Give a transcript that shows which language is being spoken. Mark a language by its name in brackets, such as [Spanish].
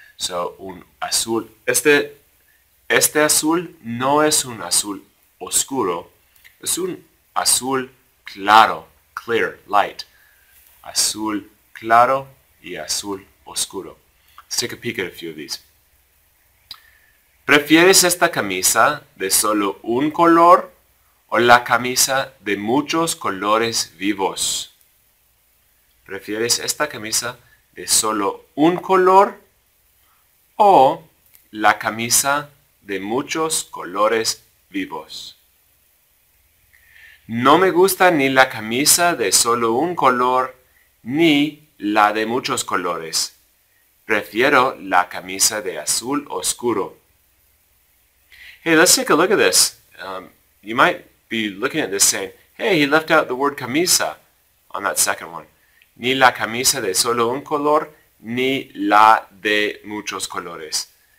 [Spanish] So, un azul. Este azul no es un azul oscuro. Es un azul claro, [English] clear, light. [Spanish] Azul claro y azul oscuro. [English] Let's take a peek at a few of these. [Spanish] ¿Prefieres esta camisa de solo un color o la camisa de muchos colores vivos? ¿Prefieres esta camisa de solo un color o la camisa de muchos colores vivos? No me gusta ni la camisa de solo un color ni la de muchos colores. Prefiero la camisa de azul oscuro. [English] Hey, let's take a look at this. You might be looking at this saying, hey, he left out the word camisa on that second one. [Spanish] Ni la camisa de solo un color, ni la de muchos colores.